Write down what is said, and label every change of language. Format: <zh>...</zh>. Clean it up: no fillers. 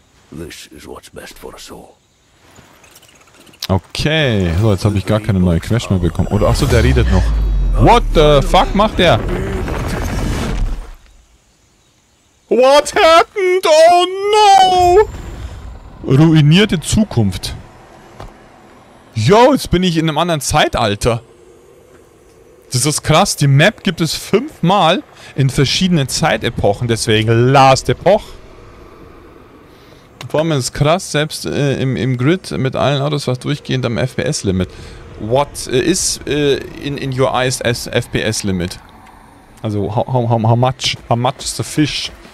<en>This is what's best for us all.</en> <de>Okay, so jetzt habe ich gar keine neue Quest mehr bekommen. Oder achso, der redet noch.</de> <en>What the fuck</en> <de>macht der?</de> <en>What happened? Oh no!</en> <de>Ruinierte Zukunft. Yo, jetzt bin ich in einem anderen Zeitalter. Das ist krass, die Map gibt es 5-mal in verschiedenen Zeitepochen, deswegen Last Epoch. Vor allem ist krass, selbst im Grid mit allen Autos was durchgehend am FPS-Limit.</de> <en>What is in your eyes as FPS-Limit? Also, how much is the fish?</en>